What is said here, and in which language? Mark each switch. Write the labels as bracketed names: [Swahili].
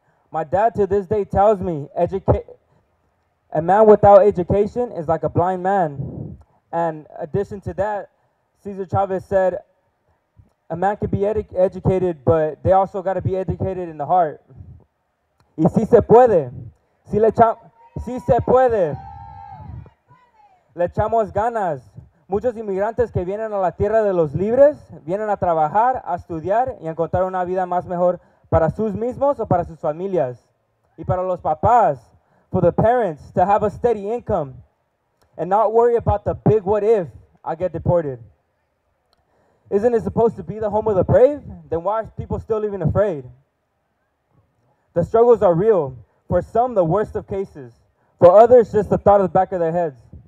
[English] My dad to this day tells me, a man without education is like a blind man. And addition to that, Cesar Chavez said, a man can be educated, but they also got to be educated in the heart. [Spanish] Y si se puede, si se puede, le echamos ganas. Muchos inmigrantes que vienen a la tierra de los libres vienen a trabajar, a estudiar y a encontrar una vida más mejor para sus mismos o para sus familias. Y para los papás, [English] for the parents, to have a steady income and not worry about the big what if I get deported. Isn't it supposed to be the home of the brave? Then why are people still even afraid? The struggles are real. For some, the worst of cases. For others, just the thought of the back of their heads.